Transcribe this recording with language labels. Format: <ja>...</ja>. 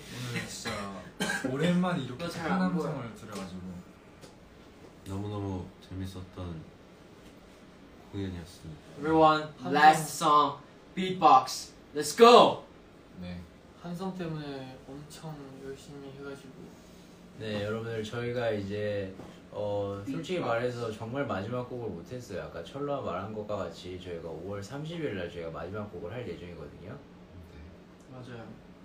<ko>오늘 진짜 오랜만에 이렇게 큰 함성을 들어가지고 너무너무 재밌었던 공연이었습니다.</ko> <en>Everyone, last song, beatbox, let's go!</en> <ko>네. 함성 때문에 엄청 열심히 해가지고 네, 여러분들 저희가 이제 솔직히 말해서 정말 마지막 곡을 못했어요. 아까 철로가 말한 것과 같이 저희가 5월 30일 날 저희가 마지막 곡을 할 예정이거든요. 네. 맞아요.</ko>